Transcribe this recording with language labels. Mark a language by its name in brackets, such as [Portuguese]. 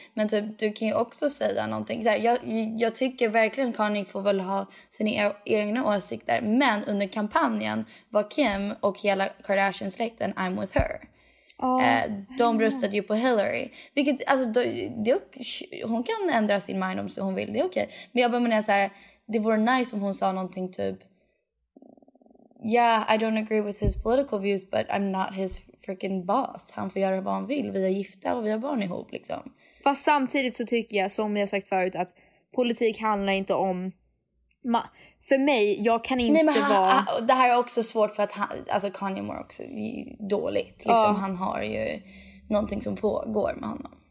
[Swedish] Men typ, du kan ju också säga någonting. Så här, jag tycker verkligen Kanye får väl ha sina egna åsikter. Men under kampanjen var Kim och hela Kardashian-släkten [English] I'm with her. [Swedish] De röstade ju på Hillary, vilket alltså hon kan ändra sin mind om så hon vill, det är okej. Men jag menar så här, det vore nice om hon sa någonting typ, [English] I don't agree with his political views but I'm not his freaking boss. [Swedish] Han får göra vad han vill, vi är gifta och vi har barn ihop liksom. Fast samtidigt så tycker jag, som jag sagt förut, att politik handlar inte om för mig, jag kan inte det här är också svårt för att Kanye mår också dåligt liksom. Han har ju någonting som pågår med honom.